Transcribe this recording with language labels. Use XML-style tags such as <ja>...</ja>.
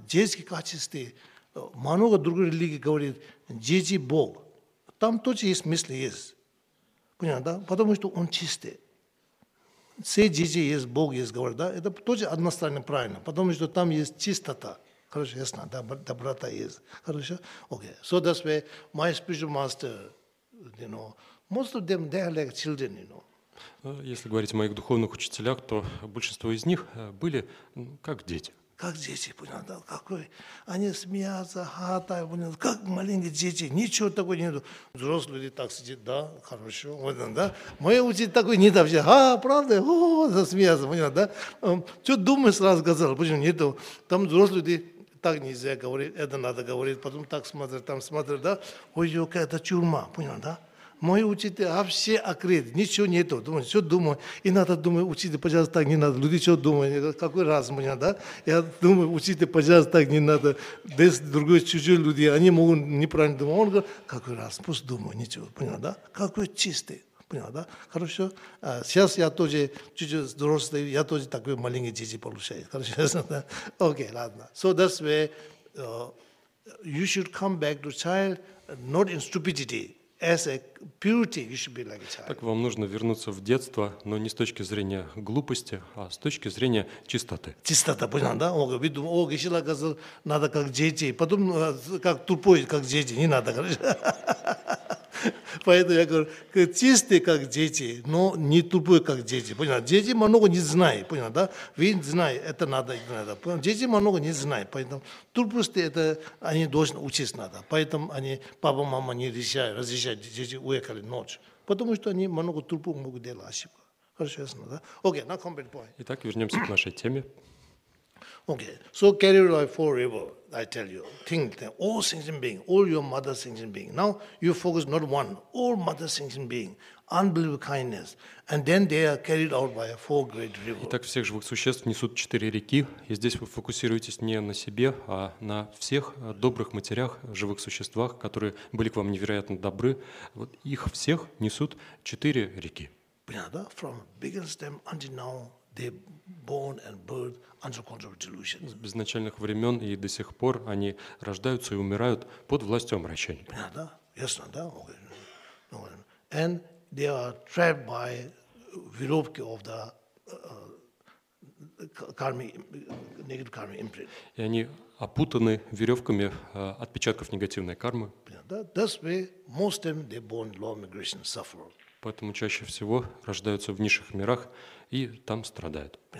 <ru>Детские качества, много других религий говорит, дети – Бог. Там тоже есть мысли, понятно, да? Потому что он чистый. Все дети есть, Бог есть, говорят, да? Это тоже односторонне правильно, потому что там есть чистота. Хорошо, ясно, да? Доброта есть. Хорошо? Окей. Okay.</ru> <en>So that's why my spiritual master, you know, most of them, they are like children, you know.</en> <ru>Если говорить о моих духовных учителях, то большинство из них были как дети. как дети, понял, да, какой, они смеются, хата, понял, как маленькие дети, ничего такого нету. Взрослые люди так сидят, да, хорошо, вот, да, мой учитель такой не давший, а, правда, о, засмеялся, понял, да, что думаешь, сразу сказал, почему нету, там взрослые люди, так нельзя говорить, это надо говорить, потом так смотрят, там смотрят, да, ой, какая-то тюрьма, понял, да. Мой учитель, а все окрыт, ничего нету. Думаю, что думаю. И надо думать, учитель, пожалуйста, так не надо. Люди что думают, какой раз у меня, да? Я думаю, учитель, пожалуйста, так не надо. Здесь другие чужие люди, они могут неправильно думать. Он говорит, какой раз, пусть думаю, ничего, понял, да? Какой чистый, понял, да? Хорошо. А сейчас я тоже чуть-чуть взрослый, я тоже такой маленький дети получаю. Хорошо, да? Окей, ладно.</ru> <en>So that's where you should come back to child, not in stupidity. As a purity, you should be like a child.</en> <ru>Так вам нужно вернуться в детство, но не с точки зрения глупости, а с точки зрения чистоты. Чистота, понял, да? Он говорит, о, Гешила сказал, надо как дети, потом как тупой, как дети, не надо. Поэтому я говорю, чистый, как дети, но не тупой, как дети. Понял? Дети много не знают, понял, да? Вы знаете, это надо, это надо. Понял? Дети много не знают, поэтому тупости, это они должны учиться надо. Поэтому они, папа, мама не решают, разрешают, дети уехали ночью. Потому что они много тупо могут делать ошибку. Хорошо, ясно, да? Окей, на combat point. Итак, вернемся к нашей теме.</ru> <en>Okay, so carry life forever, I tell you. Think that all sentient beings, all your mother sentient beings. Now you focus not one, all mother sentient beings, unbelievable kindness. And then they are carried out by four great rivers.</en> <ru>Итак, всех живых существ несут четыре реки. И здесь вы фокусируетесь не на себе, а на всех добрых матерях, живых существах, которые были к вам невероятно добры. Вот их всех несут четыре реки. Понятно, да?</ru> <en>From biggest them until now, they born and birth under control of delusion.</en> <ru>С безначальных времен и до сих пор они рождаются и умирают под властью омрачения. Понятно, да? Ясно, да? Okay.</ru> <en>And they are trapped by веревки of the negative karma imprint.</en> <ru>И они опутаны веревками отпечатков негативной кармы. Понятно, да?</ru> <en>That's why most of them they born low migration suffer.</en> <ru>Поэтому чаще всего рождаются в низших мирах и там страдают.</ru>